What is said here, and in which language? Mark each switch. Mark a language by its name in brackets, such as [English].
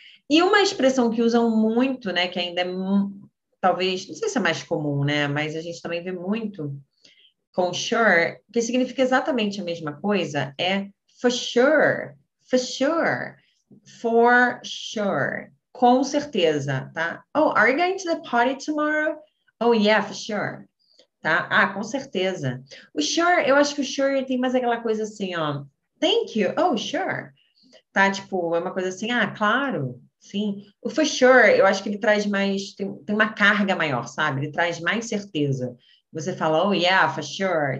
[Portuguese] E uma expressão que usam muito, né, que ainda é talvez, não sei se é mais comum, né, mas a gente também vê muito com sure, que significa exatamente a mesma coisa, é [English] for sure, for sure, [Portuguese] com certeza, tá? [English] Oh, are you going to the party tomorrow? Oh, yeah, for sure. [Portuguese] Tá? Ah, com certeza. O sure, eu acho que o sure tem mais aquela coisa assim, ó. [English] Thank you. Oh, sure. [Portuguese] Tá, tipo, é uma coisa assim, ah, claro. Sim. O for sure, eu acho que ele traz mais, tem uma carga maior, sabe? Ele traz mais certeza. Você fala, [English] oh, yeah, for sure.